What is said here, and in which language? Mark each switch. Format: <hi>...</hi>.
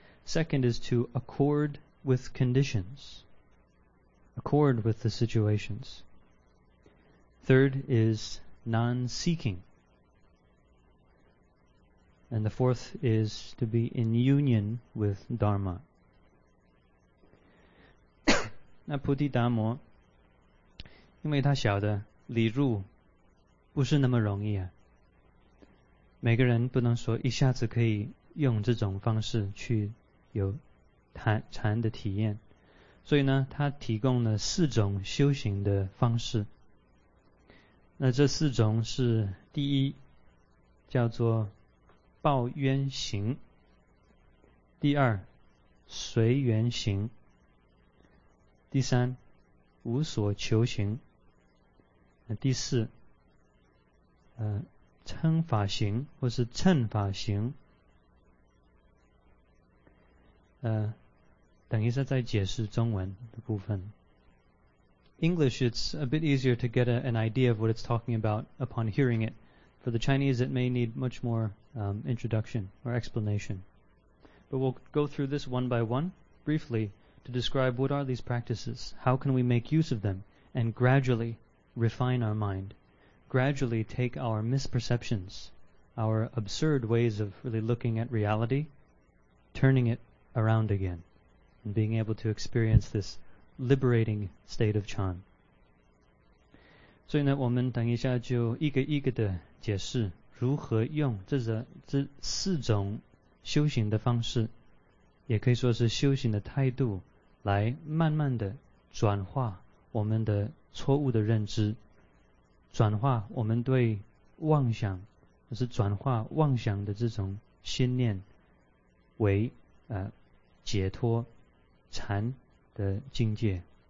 <en>Second is to accord with conditions, accord with the situations. Third is non-seeking. And the fourth is to be in union with Dharma.</en> <zh>那菩提达摩，因为他晓得礼入不是那么容易啊。每个人不能说一下子可以用这种方式去有禅的体验。所以呢，他提供了四种修行的方式。那这四种是：第一，叫做报怨行；第二，随缘行；第三，无所求行；第四，称法行或是称法行。等一下再解释中文的部分。</zh> <en>English, it's a bit easier to get an idea of what it's talking about upon hearing it. For the Chinese, it may need much more introduction or explanation. But we'll go through this one by one, briefly, to describe what are these practices, how can we make use of them, and gradually refine our mind, gradually take our misperceptions, our absurd ways of really looking at reality, turning it around again, and being able to experience this liberating state of Chan.</en> <zh>所以呢，我们等一下就一个一个的解释如何用这四种修行的方式，也可以说是修行的态度，来慢慢的转化我们的错误的认知，转化我们对妄想，就是转化妄想的这种心念为解脱禅的境界。</zh>